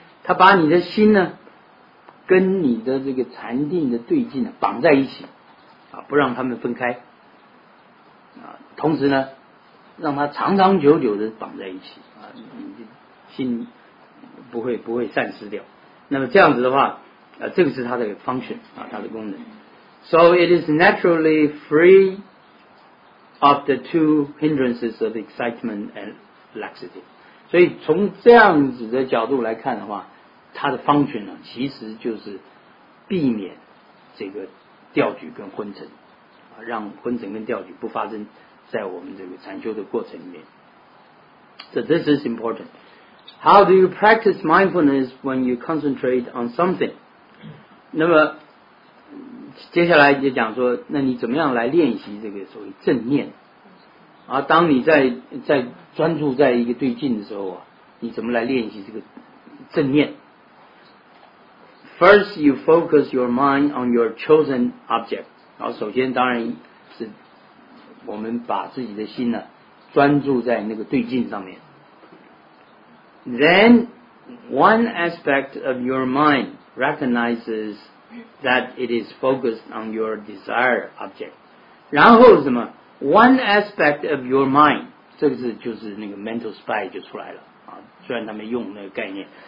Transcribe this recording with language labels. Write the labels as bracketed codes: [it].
[zh] 它把你的心呢，跟你的这个禅定的对境呢绑在一起，啊，不让他们分开。啊，同时呢。让它长长久久的绑在一起啊，心不会散失掉。那么这样子的话，这个是它的 function 啊，它的功能。 [en] So it is naturally free of the two hindrances of excitement and laxity. [zh] 所以从这样子的角度来看的话，它的 function 呢，其实就是避免这个掉举跟昏沉，啊，让昏沉跟掉举不发生。在我们这个禅修的过程里面。 [en] So this is important. How do you practice mindfulness when you concentrate on something? [zh] 那么接下来就讲说，那你怎么样来练习这个所谓正念？而当你在专注在一个对境的时候啊，你怎么来练习这个正念？ [en] First, you focus your mind on your chosen object. [zh] 然后首先当然是我们把自己的心呢专注在那个对境上面。 [en] Then one aspect of your mind recognizes that it is focused on your desired object. [zh] 然后什么？ [en] One aspect of your mind [zh] 这个字就是那个 mental spy 就出来了啊，虽然他们用那个概念。